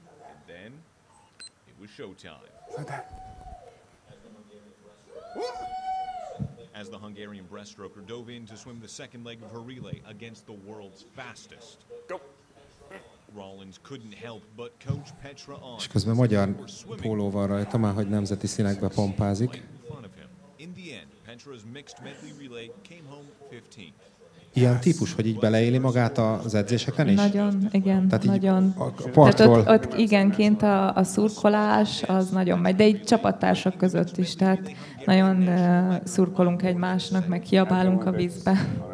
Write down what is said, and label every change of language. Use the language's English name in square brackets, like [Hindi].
[English] And then it was showtime. As the Hungarian breaststroker dove in to swim the second leg of her relay against the world's fastest. Go. Rollins couldn't help but coach Petra on. [Hungarian] És közben magyar pólóval rajta, már hogy nemzeti színekbe pompázik. [English] In the end, Petra's mixed medley relay came home 15. [Hungarian] Ilyen típus, hogy így beleéli magát az edzéseken is? Nagyon, igen, tehát nagyon. Ott igen, kint a szurkolás, az nagyon megy, de így csapattársak között is, tehát nagyon szurkolunk egymásnak, meg kiabálunk a vízbe.